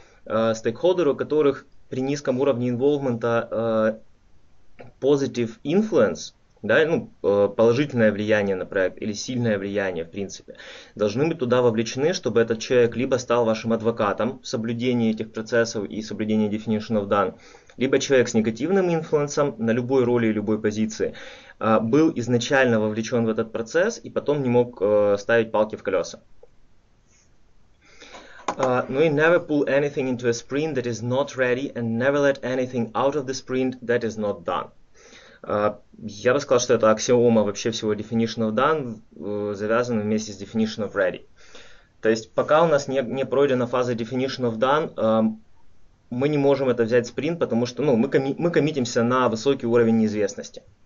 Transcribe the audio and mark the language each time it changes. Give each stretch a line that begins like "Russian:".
Russian: Стейкхолдеры, у которых при низком уровне involvement positive influence, да, ну, положительное влияние на проект или сильное влияние, в принципе, должны быть туда вовлечены, чтобы этот человек либо стал вашим адвокатом в соблюдении этих процессов и соблюдении definition of done, либо человек с негативным инфлюенсом на любой роли и любой позиции, был изначально вовлечен в этот процесс и потом не мог, ставить палки в колеса. Ну и
English: never pull anything into a sprint that is not ready and never let anything out of the sprint that is not done.
Russian: Я бы сказал, что это аксиома вообще всего definition of done, завязана вместе с definition of ready. То есть пока у нас не пройдена фаза definition of done, мы не можем это взять спринт, потому что ну, мы коммитимся на высокий уровень неизвестности.